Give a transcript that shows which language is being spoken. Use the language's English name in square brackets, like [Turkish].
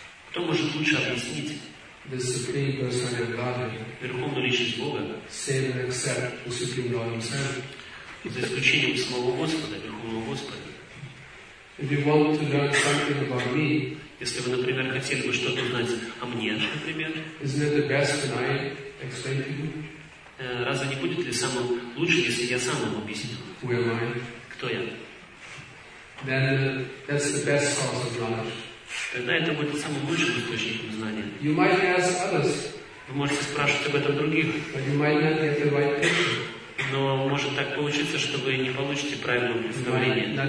[Russian] Кто может лучше объяснить? [English] The supreme personality of God. [Russian] Верховную личность Бога. [English] Save and accept the supreme Lord Himself. [Russian] За исключением самого Господа, Верховного Господа. [English] If you want to learn something about me, [Russian] если вы, например, хотели бы что-то узнать о мне, например, [English] isn't it the best that I explain to you? [Russian] Разве не будет ли самым лучшим, если я сам вам объясню? [English] Who am I? [Russian] Кто я? [English] Then that's the best source of knowledge. [Russian] Тогда это будет самым лучшим источником знания. [English] You might ask others. [Russian] Вы можете спрашивать об этом других. [English] But you might not get the right picture. [Russian] Но может так получиться, что вы не получите правильного представления.